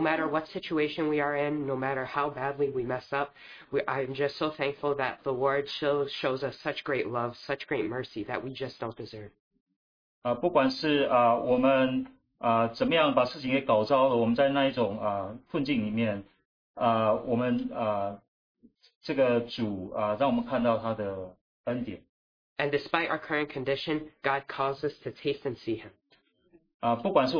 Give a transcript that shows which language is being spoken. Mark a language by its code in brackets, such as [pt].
[en] matter what situation we are in, no matter how badly we mess up, I'm just so thankful that the Lord shows us such great love, such great mercy that we just don't deserve. [zh] 不管是我们怎么样把事情给搞糟了，我们在那一种困境里面。我们这个主让我们看到他的恩典。 [en] And despite our current condition, God calls us to taste and see Him.